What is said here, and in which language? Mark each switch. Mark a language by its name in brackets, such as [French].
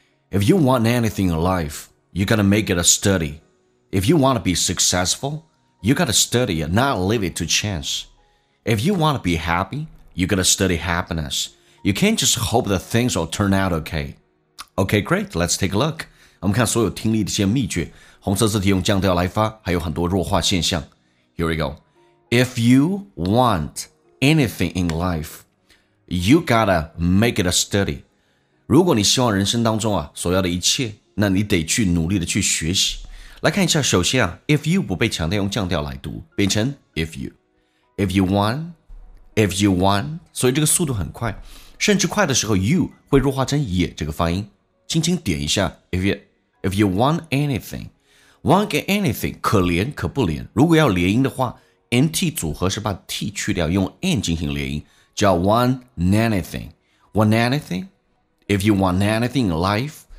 [English] If you want anything in life, you gotta make it a study. If you want to be successful, you gotta study it, not leave it to chance. If you want to be happy, you gotta study happiness. You can't just hope that things will turn out okay. Okay, great. Let's take a look. [Chinese] 我们看所有听力的一些秘诀。红色字体用降调来发，还有很多弱化现象。 [English] Here we go. If you want anything in life, you gotta make it a study. [Chinese] 如果你希望人生当中啊所要的一切，那你得去努力的去学习。来看一下，首先啊 ， [English] if you [Chinese] 不被强调，用降调来读，变成 if you. [English] If you want, if you want. [Chinese] 所以这个速度很快。甚至快的时候 you 会弱化成也这个发音，轻轻点一下 [English] if you want anything， [Chinese] want anything 可连可不连，如果要连音的话 NT 组合是把 T 去掉，用 N 进行连音，叫 [English] want anything， want anything， if you want anything in life。